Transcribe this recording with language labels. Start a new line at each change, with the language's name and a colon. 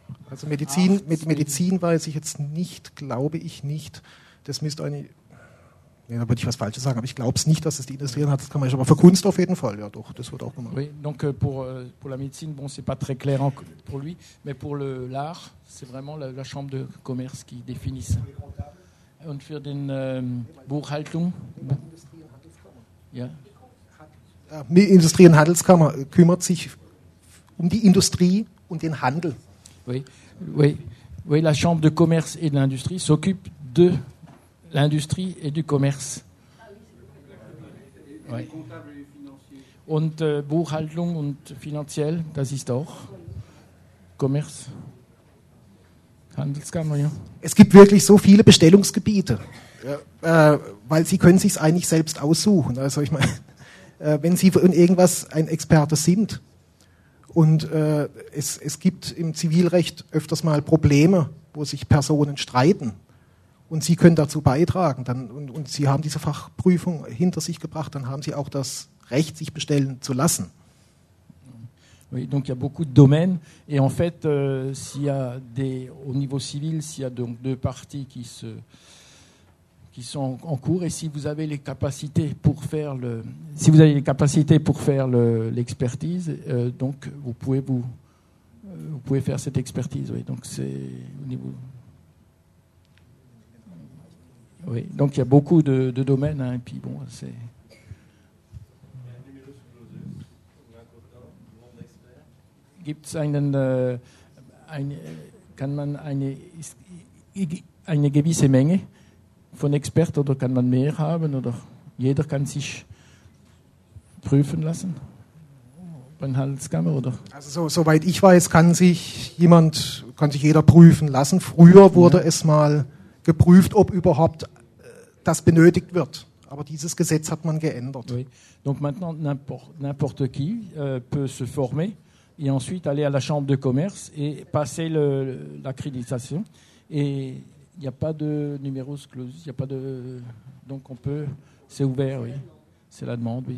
German: Also Medizin, mit Medizin weiß ich jetzt nicht, glaube ich nicht. Das müsste da würde ich was Falsches sagen, aber ich glaube es nicht, dass es die Industrie hat. Das kann man aber für Kunst auf jeden Fall, ja doch, das wird auch gemacht.
French: Oui, donc pour la médecine, bon, c'est pas très clair pour lui, mais pour l'art, c'est vraiment la chambre de commerce qui définit ça.
German: und für den Buchhaltung. Ja. Die Industrie- und Handelskammer kümmert sich um die Industrie und den Handel.
French: Oui, oui, oui, la Chambre de Commerce et de l'Industrie s'occupe de l'Industrie et du Commerce. Oui.
German: Und Buchhaltung und finanziell, das ist auch Commerce. Handelskammer, ja. Es gibt wirklich so viele Bestellungsgebiete, weil Sie können sich es eigentlich selbst aussuchen. Also ich meine, wenn Sie in irgendwas ein Experte sind und es gibt im Zivilrecht öfters mal Probleme, wo sich Personen streiten und Sie können dazu beitragen dann, und Sie haben diese Fachprüfung hinter sich gebracht, dann haben Sie auch das Recht, sich bestellen zu lassen.
French: Oui, donc il y a beaucoup de domaines et en fait, s'il y a des au niveau civil, s'il y a donc deux parties qui sont en cours et si vous avez les capacités pour faire le si vous avez les capacités pour faire le l'expertise, donc vous pouvez faire cette expertise. Oui, donc c'est au niveau. Oui, donc il y a beaucoup de domaines hein, et puis bon c'est.
German: Gibt es einen, kann man eine gewisse Menge von Experten oder kann man mehr haben oder jeder kann sich prüfen lassen bei einer Handelskammer oder? Also so, soweit ich weiß, kann sich jeder prüfen lassen. Früher wurde es mal geprüft, ob überhaupt das benötigt wird. Aber dieses Gesetz hat man geändert.
French: Oui. Donc maintenant n'importe qui peut se former. Et ensuite aller à la chambre de commerce et passer l'accréditation. Et il n'y a pas de numerus clausus, il y a pas de. Donc on peut. C'est ouvert, oui. C'est la demande, oui.